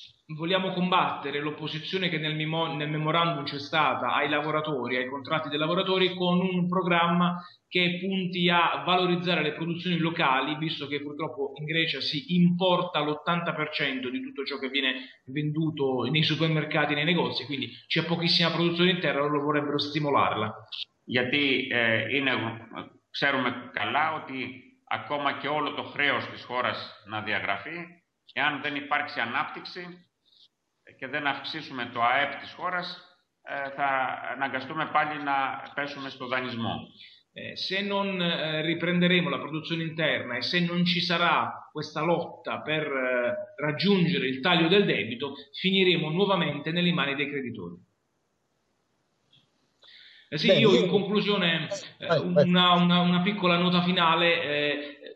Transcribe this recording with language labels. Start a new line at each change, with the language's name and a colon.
Italian: Vogliamo combattere l'opposizione che nel memorandum c'è stata ai lavoratori, ai contratti dei lavoratori, con un programma che punti a valorizzare le produzioni locali, visto che purtroppo in Grecia si importa l'80% di tutto ciò che viene venduto nei supermercati, nei negozi, quindi c'è pochissima produzione in terra, loro vorrebbero stimolarla.
Greek: Γιατί ξέρουμε καλά ότι ακόμα και όλο το χρέος της χώρας να διαγραφεί, εάν δεν υπάρξει ανάπτυξη και δεν αυξήσουμε το ΑΕΠ της χώρας, θα αναγκαστούμε πάλι να πέσουμε στο δανεισμό.
Italian: Se non riprenderemo la produzione interna e se non ci sarà questa lotta per raggiungere il taglio del debito, finiremo nuovamente nelle mani dei creditori. Sì, io in conclusione una piccola nota finale.